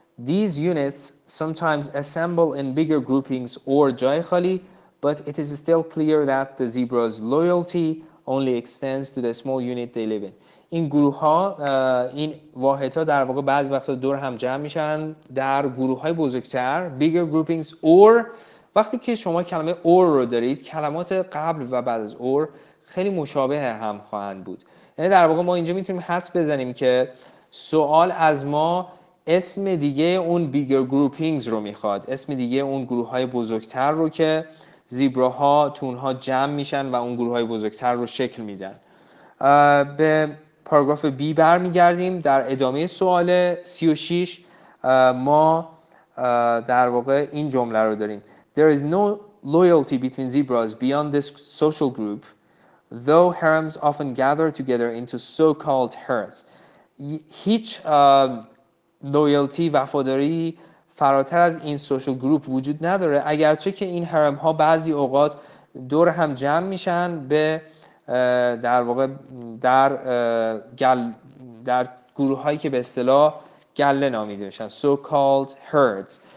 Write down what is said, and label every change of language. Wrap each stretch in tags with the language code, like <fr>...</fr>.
<en>These units sometimes assemble in bigger groupings or</en> <fa>جای خالی،</fa> <en>but it is still clear that the zebra's loyalty only extends to the small unit they live in.</en> <fa>این گروه ها، این واحد ها در واقع بعضی وقتا دور هم جمع میشن در گروه های بزرگتر،</fa> <en>bigger groupings or.</en> <fa>وقتی که شما کلمه or رو دارید، کلمات قبل و بعد از or خیلی مشابه هم خواهند بود. یعنی در واقع ما اینجا میتونیم حس بزنیم که سوال از ما اسم دیگه اون</fa> <en>bigger groupings</en> <fa>رو میخواد، اسم دیگه اون گروه های بزرگتر رو که زیبراها تونها جمع میشن و اون گروه های بزرگتر رو شکل میدن. به پاراگراف B برمیگردیم. در ادامه سوال 36 ما در واقع این جمله رو داریم:</fa> <en>There is no loyalty between zebras beyond this social group, though harems often gather together into so-called herds.</en> <fa>هیچ لویالتی، وفاداری فراتر از این سوشال گروپ وجود نداره، اگرچه که این هرم ها بعضی اوقات دور هم جمع میشن به در واقع در گل، در گروه هایی که به اصطلاح گله نامیده میشن،</fa> <en>so called herds.</en>